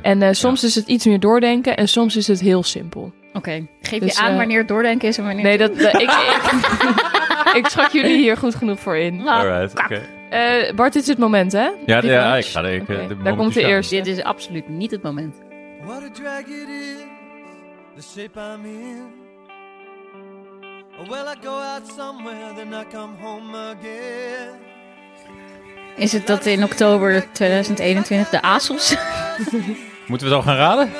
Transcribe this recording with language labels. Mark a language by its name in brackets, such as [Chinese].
[Dutch] En soms is het iets meer doordenken en soms is het heel simpel. Oké. Geef je aan wanneer het doordenken is en wanneer... Nee, ik trak jullie hier goed genoeg voor in. Alright, oké. Bart, dit is het moment, hè? Ja, ik ga denken. Okay. Daar komt de eerste. Dit is absoluut niet het moment. [English] What a drag it is, the shape I'm in. Well, I go out somewhere, then I come home again. [Dutch] Is het dat in oktober 2021 de ASOS? Moeten we het al gaan raden?